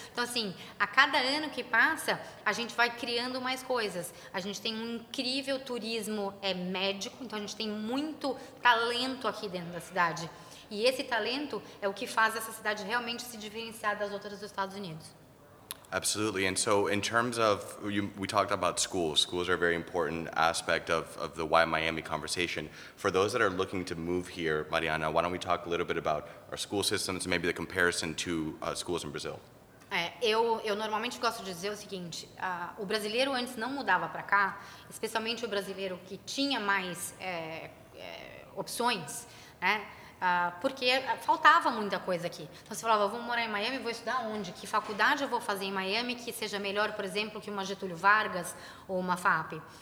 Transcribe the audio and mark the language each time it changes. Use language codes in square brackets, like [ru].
[pt] Então, assim, a cada ano que passa, a gente vai criando mais coisas. A gente tem um incrível turismo médico, então a gente tem muito talento aqui dentro da cidade. E esse talento é o que faz essa cidade realmente se diferenciar das outras dos Estados Unidos. [en] Absolutely. And so in terms of, we talked about schools. Schools are a very important aspect of the Why Miami conversation. For those that are looking to move here, Mariana, why don't we talk a little bit about our school systems and maybe the comparison to schools in Brazil? [pt] Eu normalmente gosto de dizer o seguinte, o brasileiro antes não mudava para cá, especialmente o brasileiro que tinha mais opções, né? Porque faltava muita coisa aqui. Então você falava, vou morar em Miami, vou estudar onde? Que faculdade eu vou fazer em Miami que seja melhor, por exemplo, que uma Getúlio Vargas ou uma FAP?